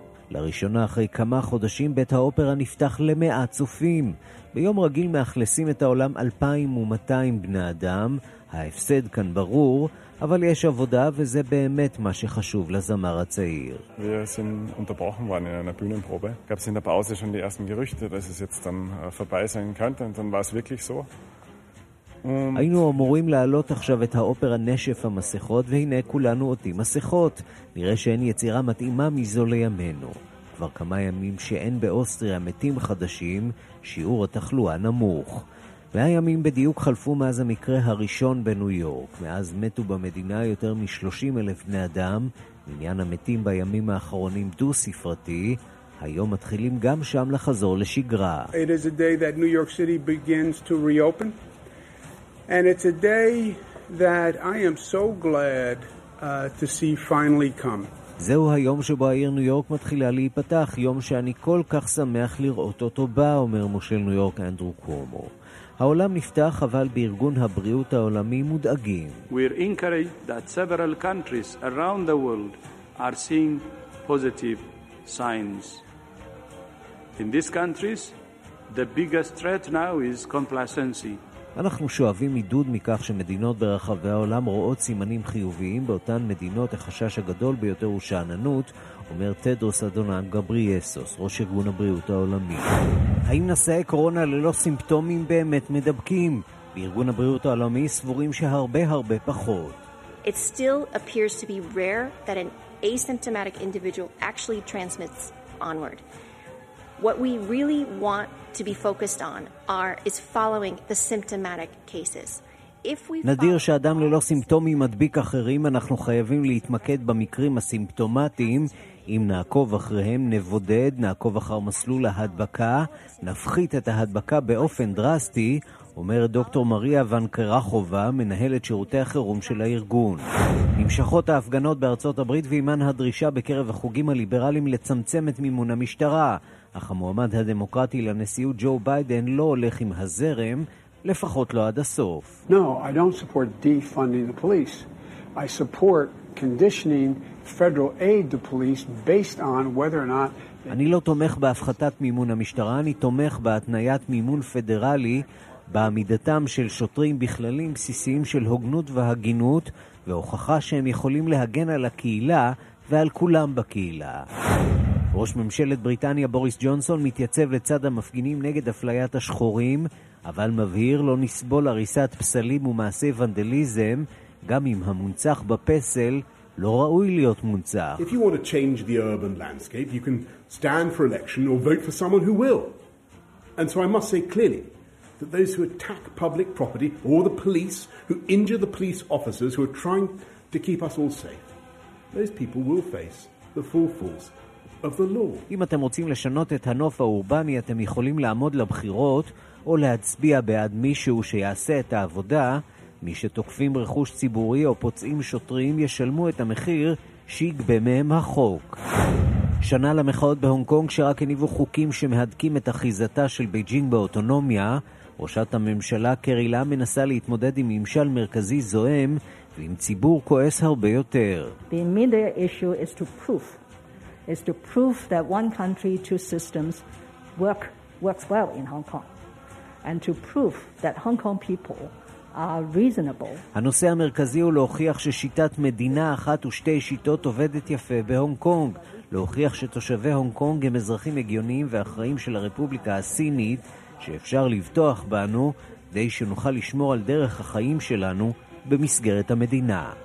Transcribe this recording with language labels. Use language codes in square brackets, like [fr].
[he] לראשונה אחרי כמה חודשים בית האופרה נפתח למאה צופים ביום רגיל מאכלסים את העולם 2,200 בני אדם ההפסד כאן ברור אבל יש עבודה וזה באמת מה שחשוב לזמר הצעיר. [de] Wir sind unterbrochen worden in einer Bühnenprobe. Gab es in der Pause schon die ersten Gerüchte, dass es jetzt dann vorbei sein könnte und dann war es wirklich so. [he] היינו אמורים להעלות עכשיו את האופרה נשף המסכות והנה כולנו אותי מסכות. נראה שאין יצירה מתאימה מזו לימינו. כבר כמה ימים שאין באוסטריה מתים חדשים, שיעור התחלואה נמוך. והימים בדיוק חלפו מאז המקרה הראשון בניו יורק. מאז מתו במדינה יותר מ-30,000 בני אדם. עניין המתים בימים האחרונים דו ספרתי. היום מתחילים גם שם לחזור לשגרה. [en] It is a day that New York City begins to reopen. And it's a day that I am so glad to see finally come. [he] זהו היום שבו העיר ניו יורק מתחילה להיפתח. יום שאני כל כך שמח לראות אותו בא, אומר מושל ניו יורק אנדרו קומו. העולם נפתח אבל בארגון הבריאות העולמי מודאגים. [en] We're encouraged that several countries around the world are seeing positive signs. In these countries, the biggest threat now is complacency. [he] אנחנו שואבים עידוד מכך שמדינות ברחבי העולם רואות סימנים חיוביים באותן מדינות החשש הגדול ביותר הוא שאננות, אומר טדרוס אדונם גבריאסוס, ראש ארגון הבריאות העולמי. האם נשאי קורונה ללא סימפטומים באמת מדבקים? בארגון הבריאות העולמי סבורים שהרבה הרבה פחות. [en] It still appears to be rare that an asymptomatic individual actually transmits onward. What we really want to be focused on is following the symptomatic cases. [he] נדיר שאדם ללא סימפטומים מדביק אחרים, אנחנו חייבים להתמקד במקרים הסימפטומטיים. אם נעקוב אחריהם, נבודד, נעקוב אחר מסלול ההדבקה, נפחית את ההדבקה באופן דרסטי, אומרת דוקטור מריה ון קרחובה, מנהלת שירותי החירום של הארגון. נמשכות ההפגנות בארצות הברית ואימן הדרישה בקרב החוגים הליברליים לצמצם את מימון המשטרה. אך המועמד הדמוקרטי לנשיאות ג'ו ביידן לא הולך עם הזרם, לפחות לא עד הסוף. [en] No, I don't support defunding the police. I support conditioning federal aid to police based on whether or not [he] אני לא תומך בהפחתת מימון המשטרה, אני תומך בהתניית מימון פדרלי בעמידתם של שוטרים בכללים בסיסיים של הוגנות והגינות והוכחה שהם יכולים להגן על הקהילה ועל כולם בקהילה. ראש ממשלת בריטניה בוריס ג'ונסון מתייצב לצד המפגינים נגד אפליית השחורים, אבל מבהיר לא נסבול הריסת פסלים ומעשי ונדליזם, גם אם המונצח בפסל לא ראוי להיות מונצח. [en] If you want to change the urban landscape, you can stand for election or vote for someone who will. And so I must say clearly that those who attack public property or the police, who injure the police officers who are trying to keep us all safe, those people will face the full force. [he] אם אתם רוצים לשנות את הנוף האורבני, אתם יכולים לעמוד לבחירות או להצביע בעד מישהו שיעשה את העבודה. מי שתוקפים רכוש ציבורי או פוצעים שוטרים ישלמו את המחיר שיגבה מהם החוק. שנה למחאות בהונג קונג שרק הניבו חוקים שמהדקים את אחיזתה של בייג'ינג באוטונומיה. ראשת הממשלה קרי לאם מנסה להתמודד עם ממשל מרכזי זוהם ועם ציבור כועס הרבה יותר. [en] The media issue is to proof. is to prove that one country two systems works well in Hong Kong and to prove that Hong Kong people are reasonable. [he] הנושא המרכזי הוא להוכיח ששיטת מדינה אחת ושתי שיטות עובדת יפה בהונג קונג, להוכיח שתושבי הונג קונג הם אזרחים הגיוניים ואחראים של הרפובליקה הסינית שאפשר לבטוח בנו די שנוכל לשמור על דרך החיים שלנו במסגרת המדינה.